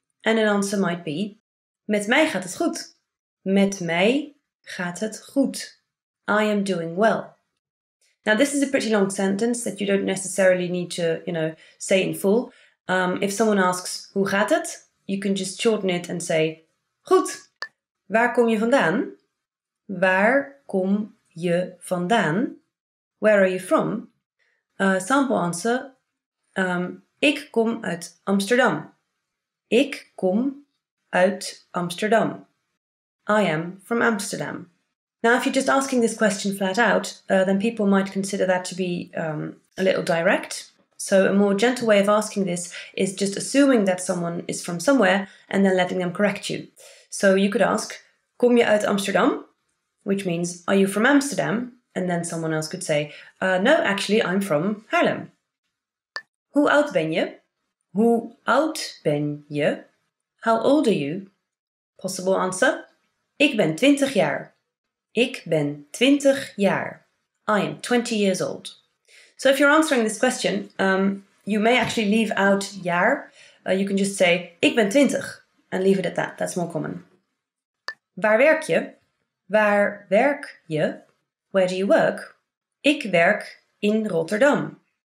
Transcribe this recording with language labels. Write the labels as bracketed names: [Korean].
[English] And an answer might be [Dutch] met mij gaat het goed. Met mij gaat het goed. [English] I am doing well. Now, this is a pretty long sentence that you don't necessarily need to, you know, say in full. If someone asks, [Dutch] hoe gaat het? [English] You can just shorten it and say, goed. [Dutch] Waar kom je vandaan? Waar kom je vandaan? [English] Where are you from? Sample answer, [Dutch] ik kom uit Amsterdam. Ik kom uit Amsterdam. [English] I am from Amsterdam. Now, if you're just asking this question flat out, then people might consider that to be a little direct. So a more gentle way of asking this is just assuming that someone is from somewhere and then letting them correct you. So you could ask, [Dutch] kom je uit Amsterdam? [English] Which means, are you from Amsterdam? And then someone else could say, no, actually, I'm from Haarlem. [Dutch] Hoe oud ben je? Hoe oud ben je? [English] How old are you? Possible answer, [Dutch] ik ben 20 jaar. [English] Ik ben 20 jaar. I am 20 years old. So if you're answering this question, you may actually leave out jaar. You can just say, [Dutch] ik ben 20. [English] And leave it at that. That's more common. [Dutch] Waar werk je? Waar werk je? [English] Where do you work? [Dutch] Ik werk in Rotterdam.